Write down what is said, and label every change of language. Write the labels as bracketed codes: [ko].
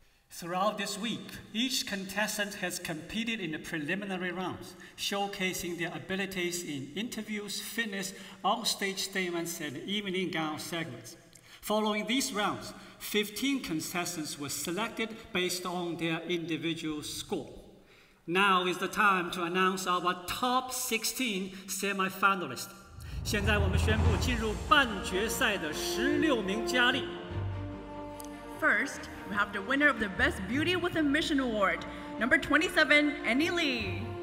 [en] Throughout this week, each contestant has competed in the preliminary rounds, showcasing their abilities in interviews, fitness, on-stage statements, and evening gown segments. Following these rounds, 15 contestants were selected based on their individual score. Now is the time to announce our top 16 semi-finalists. [zh] 现在我们宣布进入半决赛的16名佳丽。 [en] First, we have the winner of the Best Beauty with a Mission Award, number 27, Annie Lee.